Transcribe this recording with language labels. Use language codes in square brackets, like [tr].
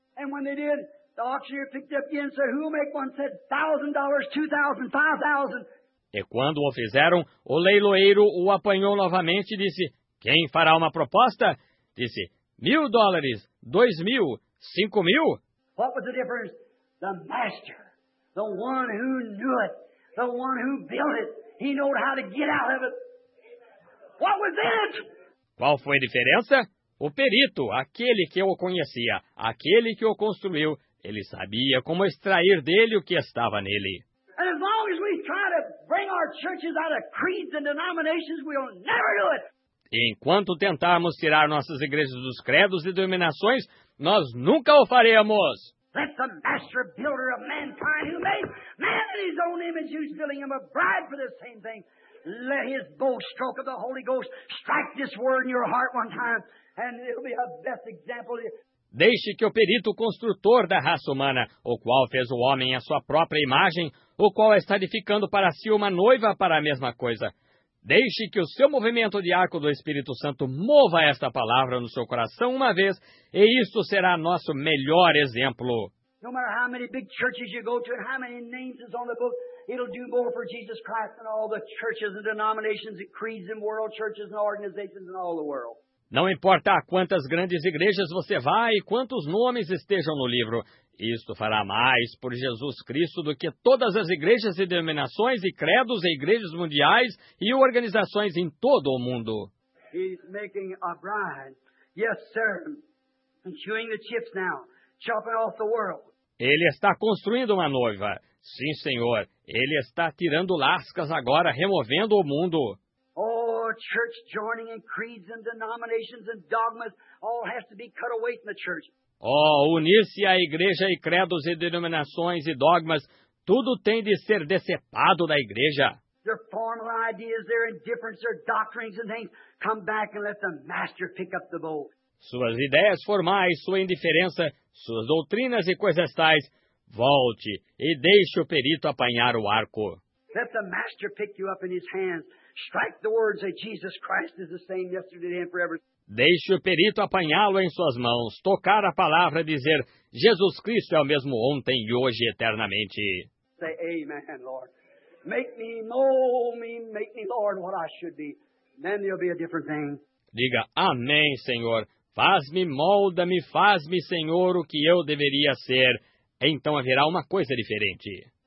[en] And when they did, the auctioneer picked up again and said, who'll make one? Said, $1,000, $2,000, $5,000. [pt] E quando o fizeram, o leiloeiro o apanhou novamente e disse, quem fará uma proposta? Disse, $1,000, $2,000, $5,000. [en] What was the difference? The master, the one who knew it, the one who built it, he knew how to get out of it. What was it? [pt] Qual foi a diferença? O perito, aquele que o conhecia, aquele que o construiu, ele sabia como extrair dele o que estava nele. [en] And as long as we try to bring our churches out of creeds and denominations, we'll never do it. [pt] Enquanto tentarmos tirar nossas igrejas dos credos e denominações, nós nunca o faremos. [en] Let the master builder of mankind who made man in his own image, who's building him a bride for the same thing, let his bow stroke of the Holy Ghost strike this word in your heart one time, and it'll be a best example. [pt] Deixe que o perito construtor da raça humana, o qual fez o homem a sua própria imagem, o qual está edificando para si uma noiva para a mesma coisa. Deixe que o seu movimento de arco do Espírito Santo mova esta palavra no seu coração uma vez, e isto será nosso melhor exemplo. [en] No matter how many big churches you go to and how many names is on the book, it'll do more for Jesus Christ than all the churches and denominations and creeds and world churches and organizations in all the world. [pt] Não importa a quantas grandes igrejas você vá e quantos nomes estejam no livro, isto fará mais por Jesus Cristo do que todas as igrejas e denominações e credos e igrejas mundiais e organizações em todo o mundo. [en] He's making a bride. Yes, sir. And chewing the chips now. Chopping off the world. [pt] Ele está construindo uma noiva. Sim, senhor. Ele está tirando lascas agora, removendo o mundo. [en] Church joining and creeds and denominations and dogmas all has to be cut away from the church. [pt] Oh, unir-se à igreja e credos e denominações e dogmas, tudo tem de ser decepado da igreja. [en] Their formal ideas, their indifference, their doctrines and things, come back and let the master pick up the bow. [pt] Suas ideias formais, sua indiferença, suas doutrinas e coisas tais, volte e deixe o perito apanhar o arco. [en] Let the master pick you up in his hands. Strike the words that Jesus Christ is the same yesterday and forever. [pt] Deixe o perito apanhá-lo em suas mãos, tocar a palavra e dizer, Jesus Cristo é o mesmo ontem e hoje eternamente. [en] Say amen, Lord. Make me, mold me, make me, Lord, what I should be. Then there'll be a different thing. [pt] Diga, amém, Senhor. Faz-me, molda-me, faz-me, Senhor, o que eu deveria ser. Então haverá uma coisa diferente.